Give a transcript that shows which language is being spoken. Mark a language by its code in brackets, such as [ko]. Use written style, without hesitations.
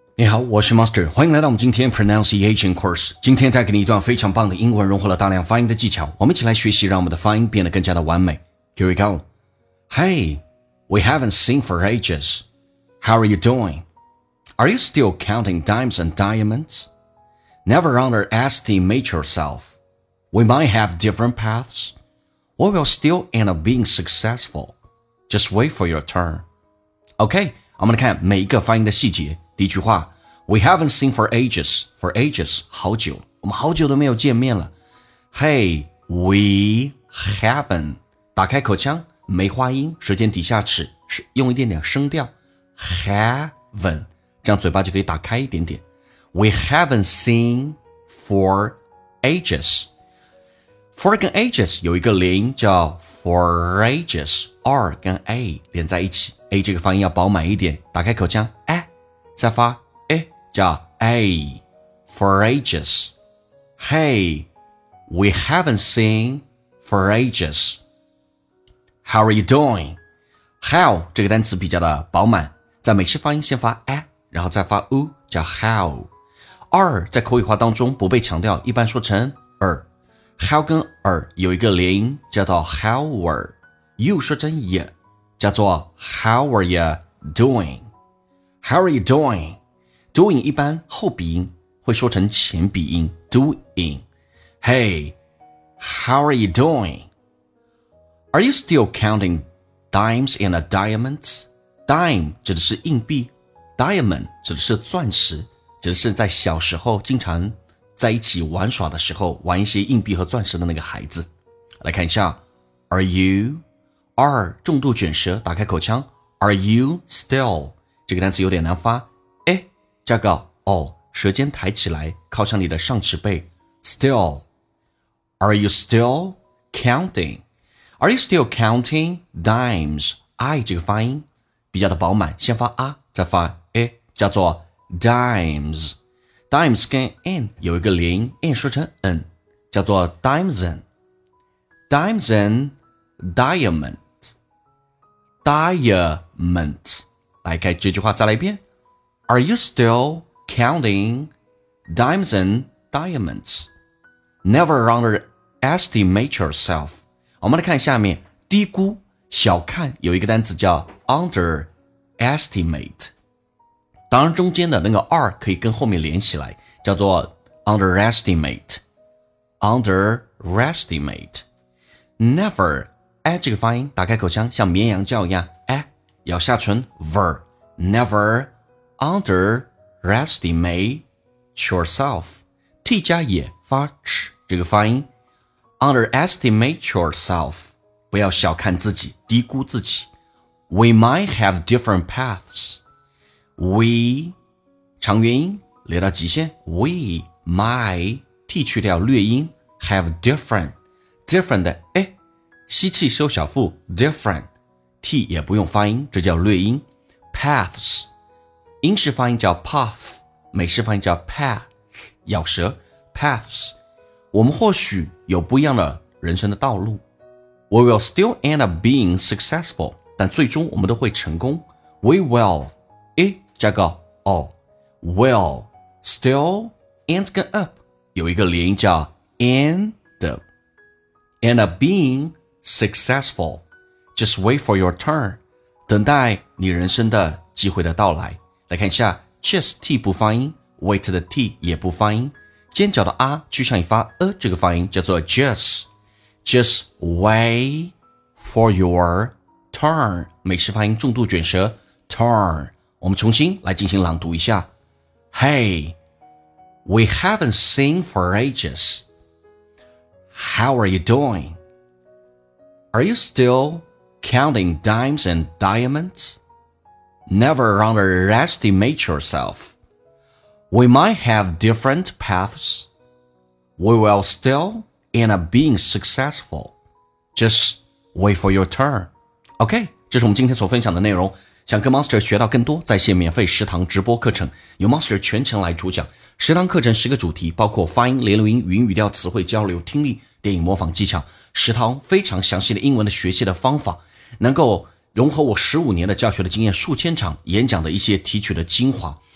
[zh] 你好，我是 Master， 欢迎来到我们今天 Pronunciation Course。今天带给你一段非常棒的英文，融合了大量发音的技巧，我们一起来学习，让我们的发音变得更加的完美。 [en] Here we go. Hey, we haven't seen for ages. How are you doing? Are you still counting dimes and diamonds? Never underestimate yourself. We might have different paths. We will still end up being successful. Just wait for your turn. [zh] Okay, 我们来看每一个发音的细节。第一句话 [en] We haven't seen for ages. For ages, [zh] 好久，我们好久都没有见面了。 [en] Hey, we haven't. [zh] 打开口腔，梅花音，舌尖底下齿，用一点点声调 Haven't. 这样嘴巴就可以打开一点点。 [en] We haven't seen for ages. [zh] For 跟 ages 有一个连音叫 [en] For ages. [zh] R 跟 A 连在一起， A 这个发音要饱满一点，打开口腔，哎，再发诶，叫 [en] A for ages. Hey, we haven't seen for ages. How are you doing? [zh] How 这个单词比较的饱满，在美式发音先发诶，然后再发 u， 叫 how。 R 在口语化当中不被强调，一般说成 er。 [en] How [zh] 跟 [en] er [zh] 有一个连音叫做 [en] how are you， [zh] 说成 [en] ye [zh] 叫做 [en] how are you doing。 How are you doing? [zh] Doing 一般后鼻音会说成前鼻音 doing. [en] Hey, how are you doing? Are you still counting dimes and diamonds? [zh] Dime 指的是硬币， diamond 指的是钻石，指的是在小时候经常在一起玩耍的时候玩一些硬币和钻石的那个孩子。来看一下 Are you? R 重度卷舌，打开口腔 [en] Are you still? [zh] 这个单词有点难发，诶，加个哦，舌尖抬起来靠向你的上齿背。 [en] Still, Are you still counting? Are you still counting dimes? [zh] I 这个发音比较的饱满，先发啊，再发诶，叫做 dimes. [en] Dimes 跟 n 有一个连音， n 说成 n， 叫做 dimes and dimes and diamond diamond。 [zh] 来看这句话，再来一遍。 [en] Are you still counting dimes and diamonds? Never underestimate yourself. [zh] 我们来看下面，低估、小看，有一个单词叫 underestimate。当然，中间的那个 R 可以跟后面连起来，叫做 underestimate。 [en] underestimate。 [zh] Never， 哎，这个发音，打开口腔像绵羊叫一样，哎，咬下唇 ，ver。 [en] Never underestimate yourself. [zh] T 加也发 ch 这个发音。 [en] Underestimate yourself. [zh] 不要小看自己，低估自己。 [en] We might have different paths. [zh] We 长元音连到极限。 [en] We might [zh] T 去掉略音 [en] have different different [zh] 的诶，吸气收小腹 different T 也不用发音，这叫略音。 Paths， 英式发音叫 path， 美式发音叫 path， 咬舌 paths。我们或许有不一样的人生的道路。 [en] We will still end up being successful， [zh] 但最终我们都会成功。 [en] We will， [zh] 诶，加个 [en] all， will still end up 有一个连音叫 end up being successful， just wait for your turn。 [zh] 等待你人生的机会的到来。来看一下 Cheers T 不发音， Wait 的 T 也不发音，尖角的 R 趋向于发 A 这个发音，叫做 [en] Just wait for your turn。 [zh] 美式发音重度卷舌 Turn。我们重新来进行朗读一下。 [en] Hey, we haven't seen for ages. How are you doing? Are you stillCounting dimes and diamonds? Never underestimate yourself. We might have different paths. We will still end up being successful. Just wait for your turn. [zh] OK, 这是我们今天所分享的内容。想跟 Monster 学到更多，在线免费食堂直播课程，由 Monster 全程来主讲。食堂课程十个主题，包括发音、连读音、语音语调、词汇交流、听力、电影模仿技巧。食堂非常详细的英文的学习的方法，能够融合我15年的教学的经验，数千场演讲的一些提取的精华。